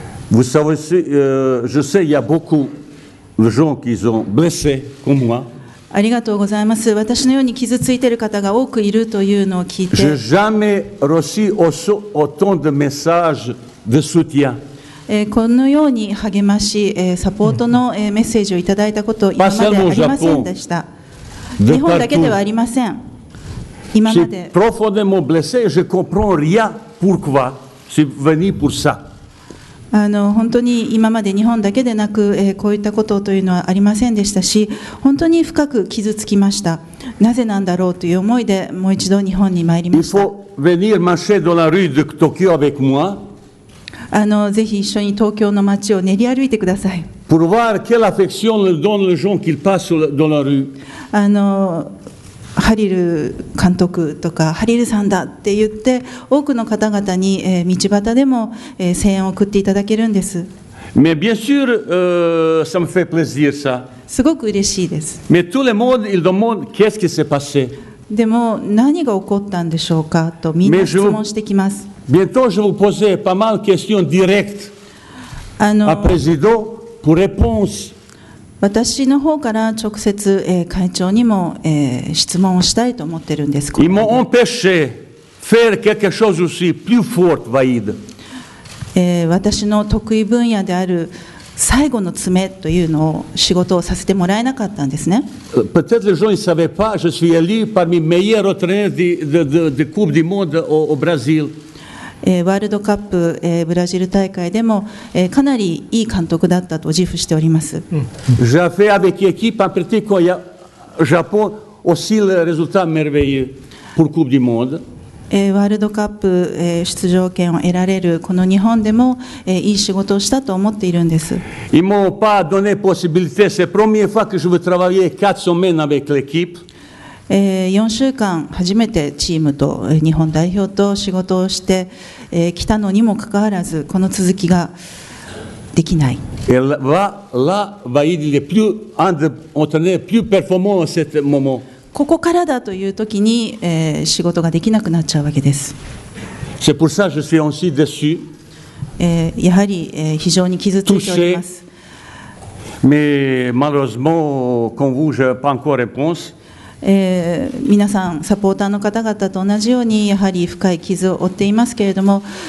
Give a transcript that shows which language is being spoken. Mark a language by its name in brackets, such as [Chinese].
[French] Vous savez, je sais il y a beaucoup de gens qui sont blessés comme moi。 [Japanese] ありがとうございます。私のように傷ついている方が多くいるというのを聞いて、このように励まし、サポートのメッセージをいただいたこと今までありませんでした。日本だけではありません。今まで [French] profondément blessé, je comprends rien pourquoi c'est venu pour ça。 [Japanese] 本当に今まで日本だけでなく、こういったことというのはありませんでしたし、本当に深く傷つきました。なぜなんだろうという思いでもう一度日本に参りました。 [French] Il faut venir marcher dans la rue de Tokyo avec moi. [Japanese] ぜひ一緒に東京の街を練り歩いてください。 [French] Pour voir quelle affection le donne les gens qui passent dans la rue. [Japanese] ハリル監督とかハリルさんだって言って多くの方々に道端でも声援を送っていただけるんです。 [French] Mais bien sûr, ça me fait plaisir, ça. [Japanese] すごく嬉しいです。 [French] Mais tout le monde, il demande, qu'est-ce qui s'est passé? [Japanese] でも何が起こったんでしょうかとみんな質問してきます。 [French] Bientôt, je vous poser pas mal de questions directes à président pour réponse. [Japanese] 私の方から直接、会長にも、質問をしたいと思ってるんです。 [French] Ils m'ont empêché faire quelque chose aussi plus fort, Vaïd. [Japanese] 私の得意分野である最後の爪というのを仕事をさせてもらえなかったんですね。 [French] Peut-être les gens ne savaient pas, je suis élu parmi les meilleurs entraîneurs de Coupe du Monde au Brésil. [Japanese] ワールドカップ、ブラジル大会でも、かなりいい監督だったと自負しております。ワールドカップ、出場権を得られるこの日本でも、いい仕事をしたと思っているんです。 [French] Ils m'ont pas donné possibilité. C'est la première fois que je veux travailler quatre semaines avec l'équipe. [Japanese] 4週間初めてチームと日本代表と仕事をしてきたのにもかかわらずこの続きができない。ここからだという時に仕事ができなくなっちゃうわけです。やはり非常に傷ついております。 [French] Mais malheureusement, comme vous, je n'ai pas encore réponse. [Japanese] 皆さんサポーターの方々と同じようにやはり深い傷を負っていますけれども、